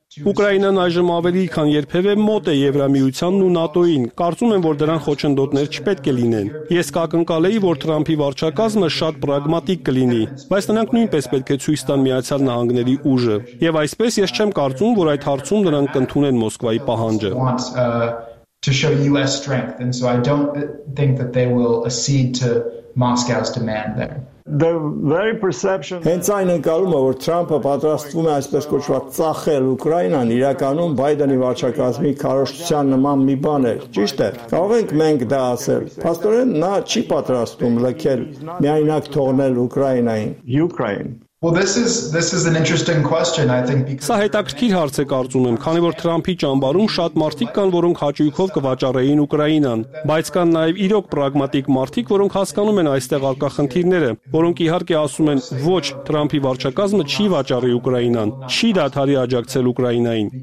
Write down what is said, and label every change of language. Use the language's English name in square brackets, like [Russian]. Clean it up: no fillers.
[Armenian] Ուկրաինան այժմ ավելի քան երբևէ մոտ է Եվրամիությանն ու ՆԱՏՕ-ին։ Կարծում եմ, որ դրան խոչընդոտներ չպետք է լինեն։ Ես ակնկալ էի, որ Թրամփի վարչակազմը շատ պրագմատիկ կլինի, բայց նրանք նույնպես պետք է ցույց տան Միացյալ Նահանգների ուժը, եւ այսպես ես չեմ կարծում, որ այդ հարցում նրանք կընդունեն Մոսկվայի պահանջը։ [English] To show US strength, and so I don't think that they will accede to Moscow's demand there. The very perception [Armenian] Հենց այն ընկալում է, որ Թրամփը պատրաստվում է այսպես կոչված ծախել Ուկրաինան, իրականում Բայդենի վարչակազմի քարոշության նման մի բան է, ճիշտ է։ Կարող ենք մենք դա ասել։ Փաստորեն նա չի պատրաստվում լքել, միայնակ թողնել Ուկրաինային։ [English] Ukraine. Well, this is an interesting question, I think, because [Armenian] Սա հետաքրքիր հարց է, կարծում եմ, քանի որ Թրամփի ճամբարում շատ մարդիկ կան, որոնք հաճույքով կվաճառեին Ուկրաինան, բայց կան նաև իրոք պրագմատիկ մարդիկ, որոնք հասկանում են այստեղ առկա խնդիրները, որոնք իհարկե ասում են, ոչ, Թրամփի վարչակազմը չի վաճառի Ուկրաինան, չի դադարի աջակցել Ուկրաինային։